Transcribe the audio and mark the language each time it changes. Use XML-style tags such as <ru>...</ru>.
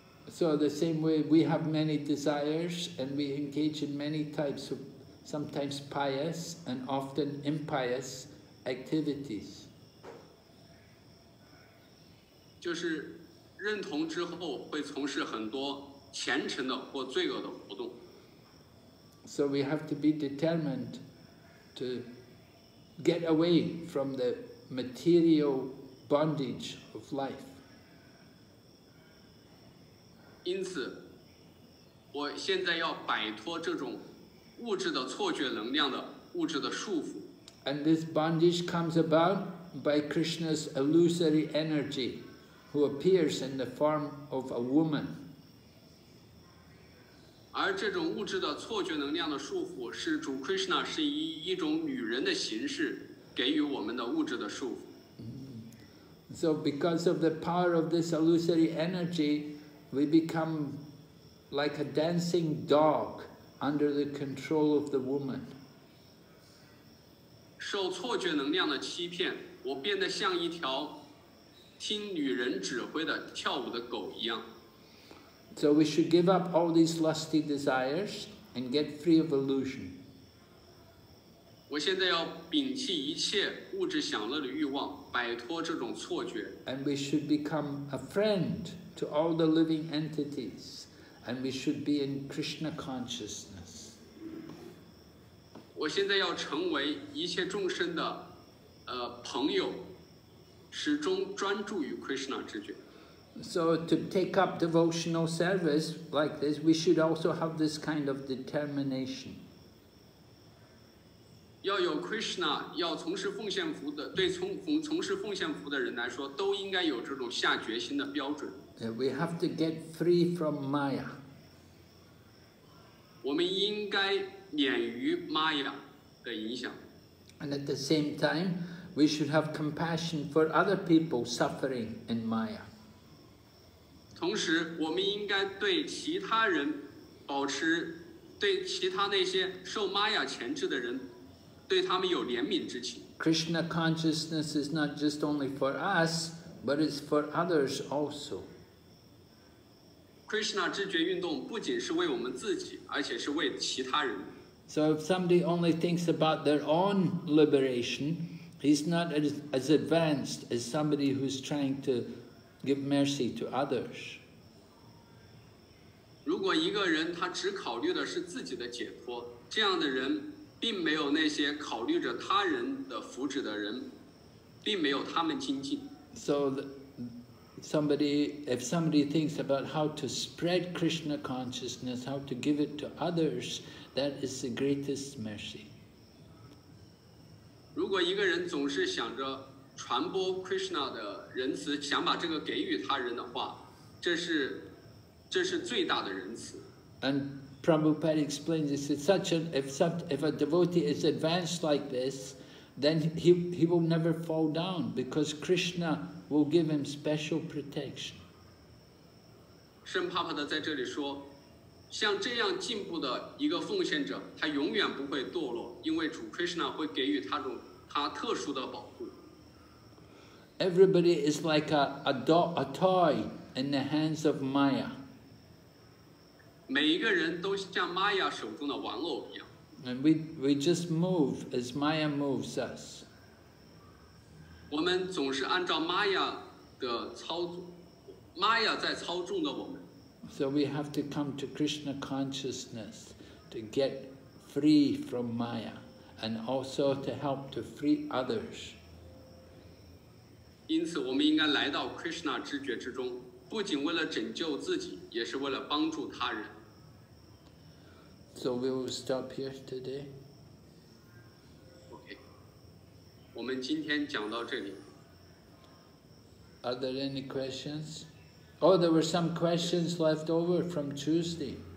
<en>So the same way we have many desires and we engage in many types of sometimes pious and often impious activities.</en> <zh>就是认同之后会从事很多虔诚的或罪恶的活动。</zh> <en>So we have to be determined to get away from the material bondage of life.</en> <zh>因此我现在要摆脱这种物质的错觉能量的物质的束缚。</zh> <en>And this bondage comes about by Krishna's illusory energy, who appears in the form of a woman.</en> <zh>而这种物质的错觉能量的束缚是主 Krishna 是以一种女人的形式给予我们的物质的束缚。</zh> <en>So because of the power of this illusory energy, we become like a dancing dog. Under the control of the woman.</en> <zh>受错觉能量的欺骗，我变得像一条听女人指挥的跳舞的狗一样。</zh> <en>So we should give up all these lusty desires and get free of illusion.</en> <zh>我现在要摒弃一切物质享乐的欲望，摆脱这种错觉。</zh> <en>And we should become a friend to all the living entities. And we should be in Krishna consciousness.</en> <zh>我现在要成为一切众生的朋友，始终专注于 Krishna 之觉。</zh> <en>So to take up devotional service like this, we should also have this kind of determination.</en> <zh>要有 Krishna, 要从事奉献服的，对从事奉献服的人来说，都应该有这种下决心的标准。</zh> <en>We have to get free from Maya.</en> <zh>我们应该免于 Maya 的影响。</zh> <en>And at the same time, we should have compassion for other people suffering in Maya.</en> <zh>同时我们应该对其他人保持对其他那些受玛雅钳制的人对他们有怜悯之情。</zh> <en>Krishna consciousness is not just only for us, but it's for others also.</en> <zh>Krishna 知觉运动不仅是为我们自己而且是为其他人。</zh> <en>So if somebody only thinks about their own liberation, he's not as advanced as somebody who's trying to give mercy to others.</en> <zh>如果一个人他只考虑的是自己的解脱，这样的人并没有那些考虑着他人的福祉的人，并没有他们精进。</zh> <en>So if somebody thinks about how to spread Krishna consciousness, how to give it to others, that is the greatest mercy.</en> <zh>如果一个人总是想着传播 Krishna 的仁慈，想把这个给予他人的话，这是最大的仁慈。</zh> <en>And Prabhupada explains this, if a devotee is advanced like this, then he will never fall down because Krishna will give him special protection.</en> <zh>圣帕帕的在这里说，像这样进步的一个奉献者，他永远不会堕落，因为主 Krishna 会给予他特殊的保护。</zh> <en>Everybody is like a toy in the hands of Maya.</en> <zh>每一个人都像 Maya 手中的玩偶一样。</zh> <en>And we just move as Maya moves us.</en> <zh>我们总是按照 Maya 的操纵， Maya 在操纵的我们。</zh> <en>So we have to come to Krishna consciousness to get free from Maya and also to help to free others.</en> <zh>因此我们应该来到 Krishna 知觉之中，不仅为了拯救自己，也是为了帮助他人。</zh> <en>So we will stop here today.</en> <zh>OK, 我们今天讲到这里。</zh> <en>Are there any questions? Oh, there were some questions left over from Tuesday.</en>